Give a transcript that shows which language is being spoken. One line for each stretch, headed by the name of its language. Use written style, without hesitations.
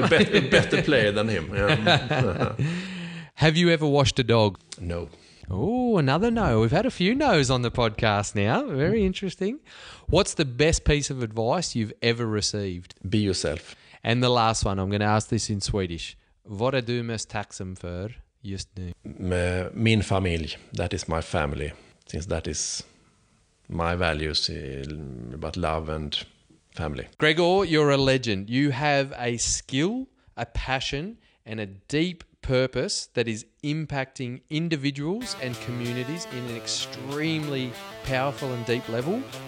English: better player than him. Have you ever washed a dog? No. Oh, another no. We've had a few no's on the podcast now. Very interesting. What's the best piece of advice you've ever received? Be yourself. And the last one, I'm going to ask this in Swedish.
Swedish: Vad är du mest tacksam för just nu? Min familj,
English: that is my family. Since that is my values, about love and family. Gregor, you're a legend. You have a skill, a passion, and a deep purpose that is impacting individuals and communities in an extremely powerful and deep level.